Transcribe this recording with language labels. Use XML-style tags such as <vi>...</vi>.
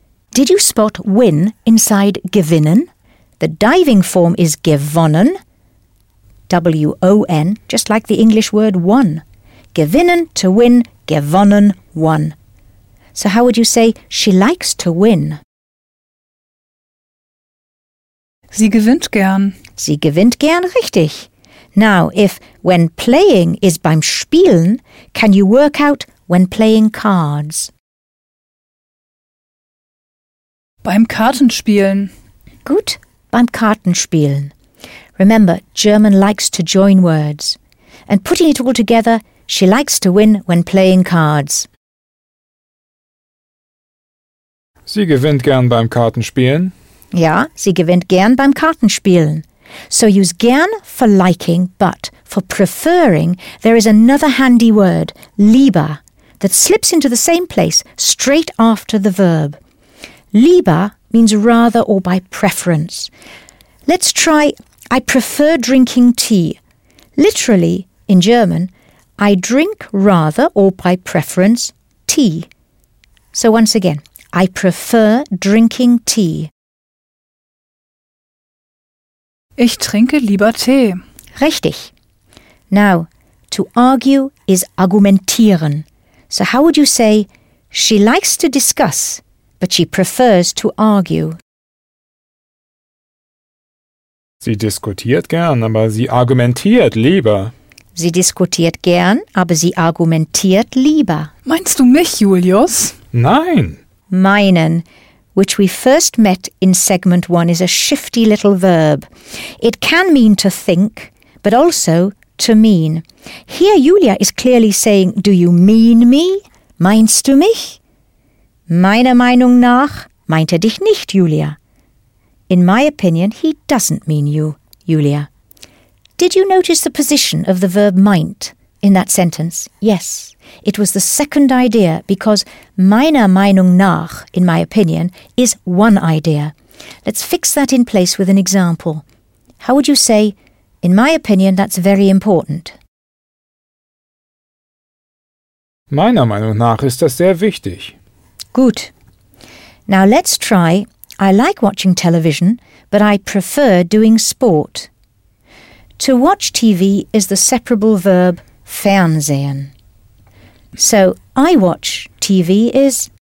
<en>Did you spot win inside gewinnen? The diving form is gewonnen. W-O-N, just like the English word won. Gewinnen, to win, gewonnen, won. So how would you say, she likes to win?</en> <de>Sie gewinnt gern. Sie gewinnt gern, richtig.</de> <en>Now, if when playing is beim Spielen, can you work out when playing cards?</en> <de>Beim Kartenspielen. Gut, beim Kartenspielen.</de> <en>Remember, German likes to join words. And putting it all together, she likes to win when playing cards.</en> <de>Sie gewinnt gern beim Kartenspielen. Ja, sie gewinnt gern beim Kartenspielen.</de> <en>So use gern for liking, but for preferring, there is another handy word, lieber, that slips into the same place straight after the verb. Lieber means rather or by preference. Let's try I prefer drinking tea. Literally, in German, I drink rather or by preference tea. So once again, I prefer drinking tea.</en> <de>Ich trinke lieber Tee.</de> <en>Richtig. Now, to argue is argumentieren. So how would you say, she likes to discuss, but she prefers to argue?</en> <de>Sie diskutiert gern, aber sie argumentiert lieber. Sie diskutiert gern, aber sie argumentiert lieber. Meinst du mich, Julius? Nein.</de> <en>Meinen, which we first met in segment one, is a shifty little verb. It can mean to think, but also to mean. Here Julia is clearly saying, do you mean me?</en> <de>Meinst du mich? Meiner Meinung nach meint dich nicht, Julia.</de> <en>In my opinion, he doesn't mean you, Julia. Did you notice the position of the verb meint in that sentence? Yes, it was the second idea because meiner Meinung nach, in my opinion, is one idea. Let's fix that in place with an example. How would you say, in my opinion, that's very important?</en> <de>Meiner Meinung nach ist das sehr wichtig. Gut.</de> <en>Now let's try I like watching television, but I prefer doing sport. To watch TV is the separable verb Fernsehen. So, I watch TV is...</en>